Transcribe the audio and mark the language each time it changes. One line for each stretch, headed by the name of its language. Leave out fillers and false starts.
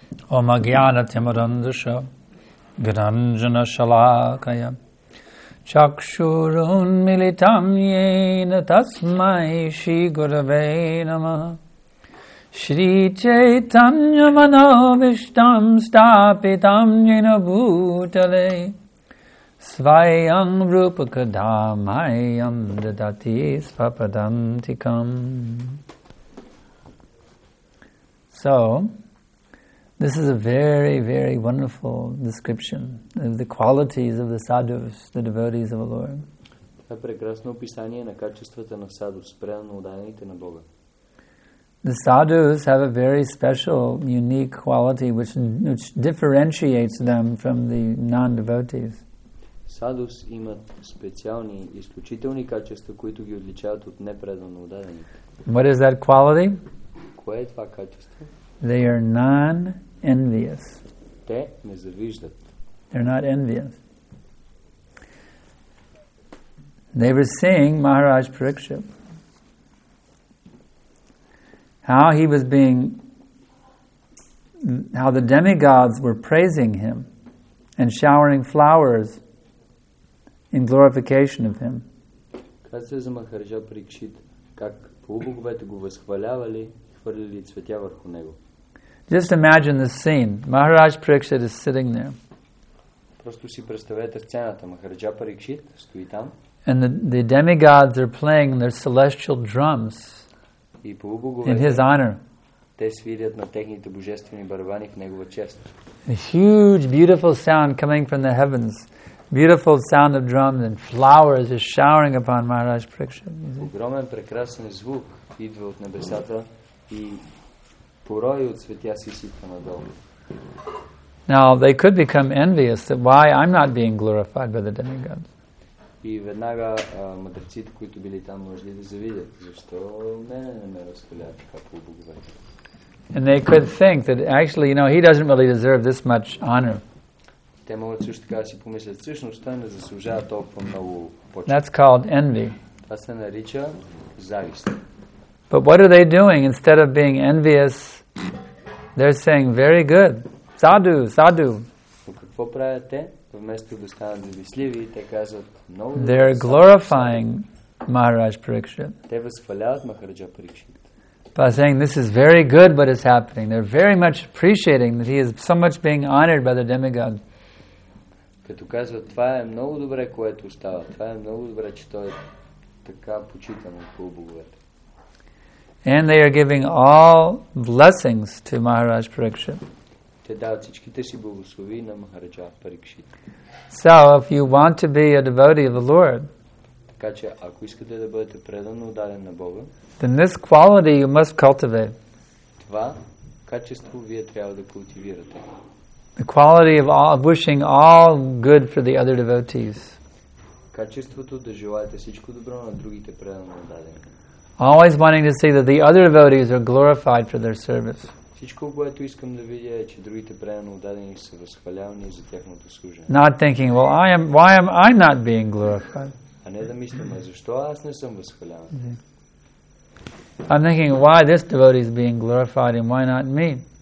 Sanskrit: Om Agyana Timurandusha Giranjana Shalakaya Chakshurun Militam Yena Tasmai Shri Gurave Namaha Shri Chaitanya Manavishtam Stapitam Yena Bhutale Svayam Rupakadamayam Dadati Svapadantikam.
English: So, this is a very, very wonderful description of the qualities of the sadhus, the devotees of the Lord.
Bulgarian: Това е прекрасно описание на качествата на sadhus, предано отдаените на Бога.
English: The sadhus have a very special, unique quality which differentiates them from the non-devotees.
Bulgarian: Sadhus имат специални, изключителни качества, които ги отличават от непредано отдадените.
English: What is that quality?
Bulgarian: Кое е това качество?
English: They are non-envious.
Bulgarian: Те не завиждат.
English: They're not envious. They were seeing Maharaj Parikshit. How he was being, how the demigods were praising him and showering flowers in glorification of him.
Bulgarian: Как се за Махараджа Парикшит, как полубоговете го възхвалявали, хвърлили цветя върху него.
English: Just imagine the scene. Maharaj Parikshit is sitting there.
Bulgarian: Просто си представете сцената. Махараджа Парикшит стои там.
English: And the demigods are playing their celestial drums.
Bulgarian: И полубоговете.
English: In his honor.
Bulgarian: Те свирят на техните божествени барабани в негова чест.
English: A huge, beautiful sound coming from the heavens. Beautiful sound of drums and flowers is showering upon Maharaj Parikshit.
Bulgarian: Огромен прекрасен звук идва от небесата и порой от цветя си сипа надолу.
English: Now they could become envious that why I'm not being glorified by the demigods.
Bulgarian: И веднага мъдреците, които били там, можели да завидят, защо не разпаляват така по боговете.
English: And they could think that actually, you know, he doesn't really deserve this much honor.
Bulgarian: Те могат също така си помислят, всъщност той не заслужава толкова много почет.
English: That's called envy.
Bulgarian: Това се нарича завист.
English: But what are they doing? Instead of being envious, they're saying, "Very good, sadhu, sadhu."
Bulgarian: Какво правят те? Вместо да станат завистливи, те казват много.
English: They're glorifying Maharaj Parikshit.
Bulgarian: Те възхваляват Махараджа Парикшит.
English: By saying this is very good, what is happening? They're very much appreciating that he is so much being honored by the demigod.
Bulgarian: Като казват, това е много добре, което става. Това е много добре, че той е така почитан от полубоговете.
English: And they are giving all blessings to Maharaj Parikshit.
Bulgarian: Те дават всичките си благослови на Махараджа Парикшит.
English: So, if you want to be a devotee of the Lord,
Bulgarian: така че ако искате да бъдете предано отдаден на Бога,
English: then this quality you must cultivate.
Bulgarian: Това качество вие трябва да култивирате.
English: The quality of all, of wishing all good for the other devotees.
Bulgarian: Качеството да желаете всичко добро на другите предано отдадени.
English: Always wanting to see that the other devotees are glorified for their service.
Bulgarian: Всичко, което искам да видя, е, че другите предано отдадени са възхвалявани за тяхното служение.
English: Not thinking, well, why am I not being glorified?
Bulgarian: А не да мислям, защо аз не съм възхваляван?
English: I'm thinking, why this devotee is being glorified and why not me?